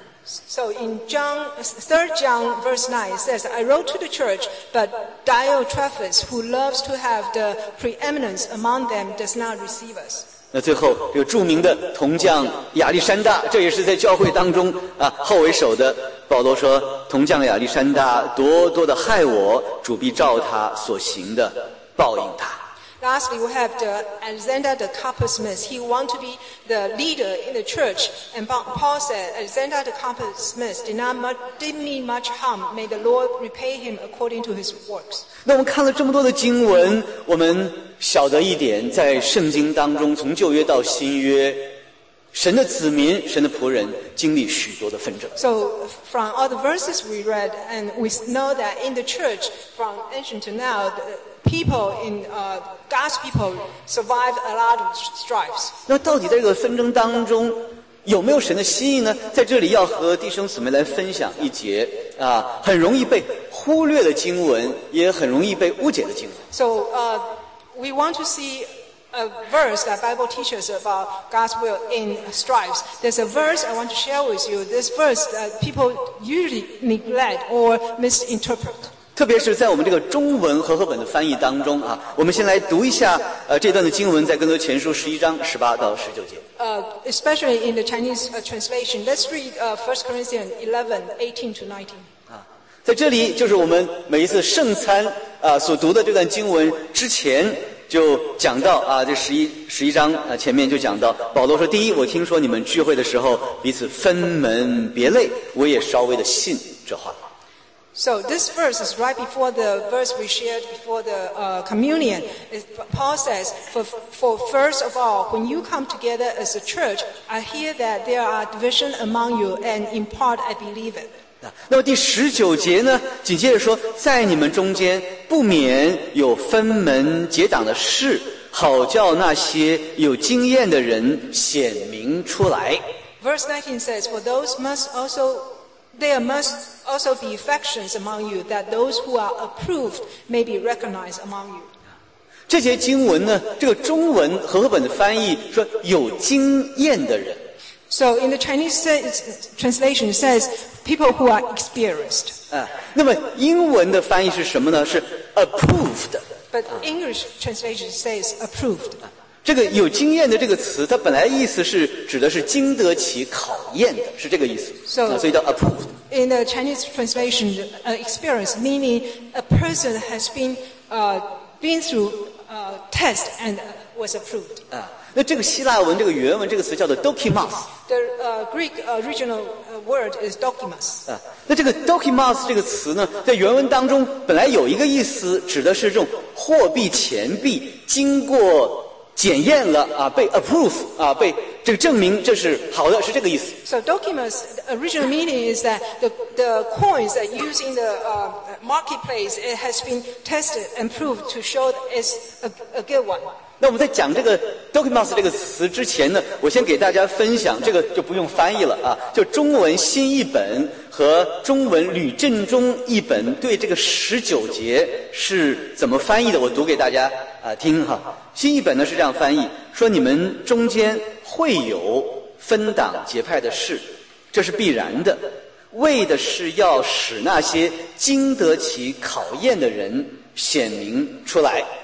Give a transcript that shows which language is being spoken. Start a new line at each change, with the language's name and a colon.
English: So in John, 3 John verse 9 says, I wrote to the church, but Diotrephes, who loves to have the preeminence among them, does not receive us.
Chinese: 那最后有著名的铜匠亚历山大，这也是在教会当中啊后为首的。保罗说，铜匠亚历山大多多的害我，主必照他所行的报应他。
English: Lastly, we have the Alexander the coppersmith. He wanted to be the leader in the church. And Paul said, Alexander the coppersmith did not mean much harm. May the Lord repay him according to his works.
Chinese: 那我们看了这么多的经文，我们晓得一点，在圣经当中，从旧约到新约，神的子民、神的仆人经历许多的纷争。
English: So from all the verses we read, and we know that in the church, from ancient to now, God's people survive a lot of strifes.
Chinese: 那到底在这个纷争当中有没有神的心意呢？在这里要和弟兄姊妹来分享一节啊，很容易被忽略的经文，也很容易被误解的经文。
English: So, we want to see a verse that Bible teaches about God's will in strifes. There's a verse I want to share with you. This verse that people usually neglect or misinterpret.
Chinese: 特别是在我们这个中文和合本的翻译当中啊，我们先来读一下这段的经文，在更多前书十一章十八到十九节。
English: Especially in the Chinese translation, let's read First Corinthians 11:18-19.
Chinese: 啊，在这里就是我们每一次圣餐啊所读的这段经文之前就讲到啊，这十一章啊前面就讲到，保罗说：第一，我听说你们聚会的时候彼此分门别类，我也稍微的信这话。
English: So this verse is right before the verse we shared before the communion. Paul says, for first of all, when you come together as a church, I hear that there are division among you, and in part I believe it.
Chinese: 那么第十九节呢，紧接着说，在你们中间不免有分门结党的事，好叫那些有经验的人显明出来。
English: Verse 19 says, for those must also... There must also be factions among you, that those who are approved may be recognized among you.
Chinese: 这节经文呢，这个中文和合本的翻译说有经验的人。
English: So in the Chinese translation says people who are experienced.
Chinese: 那么英文的翻译是什么呢？是 approved.
English: But English translation says approved.
Chinese: 这个有经验的这个词，它本来意思是指的是经得起考验的，是这个意思。
English: So,
Chinese: 所以叫 approved.
English: In the Chinese translation, experience meaning a person has been through test and was approved.
Chinese: 那这个希腊文这个原文这个词叫做 dokimos.
English: The Greek original word is dokimos.
Chinese: 那这个 dokimos 这个词呢，在原文当中本来有一个意思，指的是这种货币钱币经过检验了啊，被 approve 啊，被这个证明这是好的，是这个意思。
English: So documents original meaning is that the coins that used in the marketplace it has been tested and proved to show it's a good one.
Chinese: 那我们在讲这个 documents 这个词之前呢，我先给大家分享，这个就不用翻译了啊，就中文新译本和中文吕振中译本对这个十九节是怎么翻译的，我读给大家听哈。新译本呢是这样翻译，说你们中间会有分党结派的事，这是必然的，为的是要使那些经得起考验的人显明出来。